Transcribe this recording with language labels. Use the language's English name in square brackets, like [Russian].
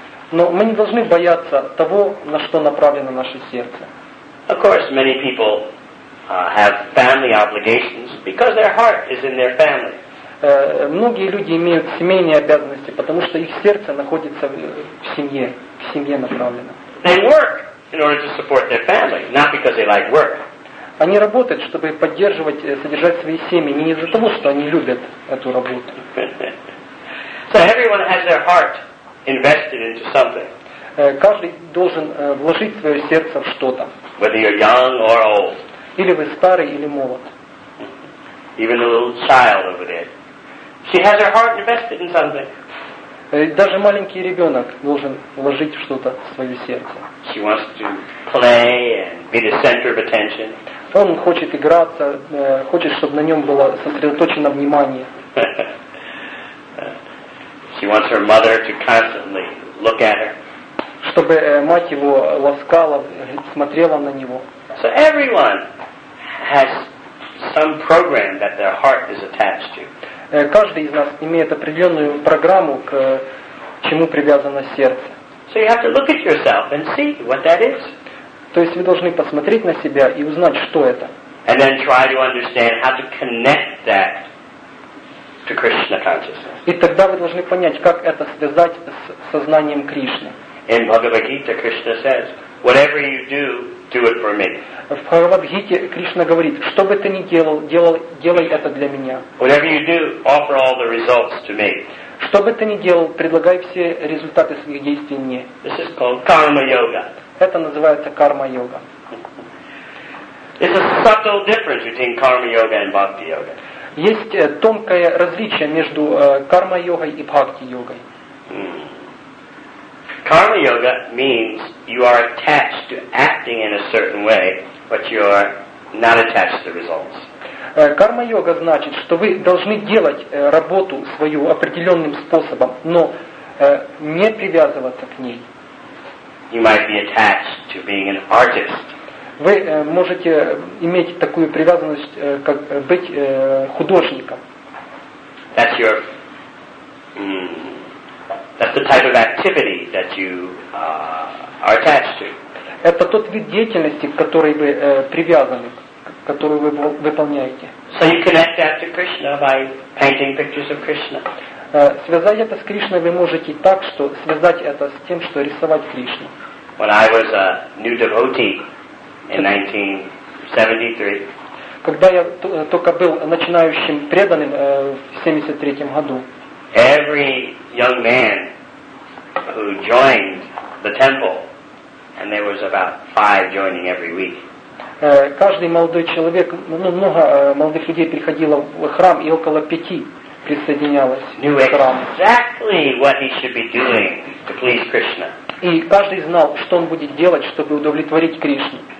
[Russian] Но мы не должны бояться того, на что направлено наше сердце. [English] Of course, many people have family obligations because their heart is in their family. [Russian] Многие люди имеют семейные обязанности, потому что их сердце находится в семье направлено. [English] They work in order to support their family, not because they like work. [Russian] Они работают, чтобы поддерживать, содержать свои семьи, не из-за того, что они любят эту работу. [English] So everyone has their heart invested into something. [Russian] Каждый должен вложить свое сердце в что-то. [English] Whether you're young or old. [Russian] Или вы старый, или молод. [English] Even a little child over there. She has her heart invested in something. [Russian] Даже маленький ребенок должен вложить что-то в свое сердце. [English] She wants to play and be the center of attention. [Russian] Он хочет играться, хочет, чтобы на нем было сосредоточено внимание. [English] She wants her mother to constantly look at her. [Russian] Чтобы мать его ласкала, смотрела на него. [English] So everyone has some program that their heart is attached to. [Russian] Каждый из нас имеет определенную программу, к чему привязано сердце. [English] So you have to look at yourself and see what that is. [Russian] То есть вы должны посмотреть на себя и узнать, что это. [English] And then try to understand how to connect that to Krishna consciousness. [Russian] И тогда вы должны понять, как это связать с сознанием Кришны. [English] In Bhagavad Gita, Krishna says, "Whatever you do, do it for me." [Russian] В Бхагавад Гите Кришна говорит, что бы ты ни делал, делай это для меня. [English] Whatever you do, offer all the results to me. [Russian] Что бы ты ни делал, предлагай все результаты своих действий мне. [English] This is called karma yoga. [Russian] Это называется карма йога. [English] It's a subtle difference between karma yoga and bhakti yoga. [Russian] Есть тонкое различие между карма йогой и бхакти йогой. [English] Karma yoga means you are attached to acting in a certain way, but you are not attached to the results. [Russian] Карма йога значит, что вы должны делать работу свою определенным способом, но не привязываться к ней. [English] You might be attached to being an artist. [Russian] Вы можете иметь такую привязанность, как быть художником. [English] That's your That's the type of activity that you are attached to. [Russian] Это тот вид деятельности, к которой вы привязаны, которую вы выполняете. [English] So you connect that to Krishna by painting pictures of Krishna. [Russian] Связать это с Кришной вы можете так, что связать это с тем, что рисовать Кришну. [English] When I was a new devotee in 1973. [Russian] Когда я только был начинающим преданным в 73 году. [English] Every young man who joined the temple, and there was about five joining every week. [Russian] Каждый молодой человек, ну много молодых людей приходило в храм, и около пяти присоединялось. [English] Knew exactly what he should be doing to please Krishna. [Russian] И каждый знал, что он будет делать, чтобы удовлетворить Кришну.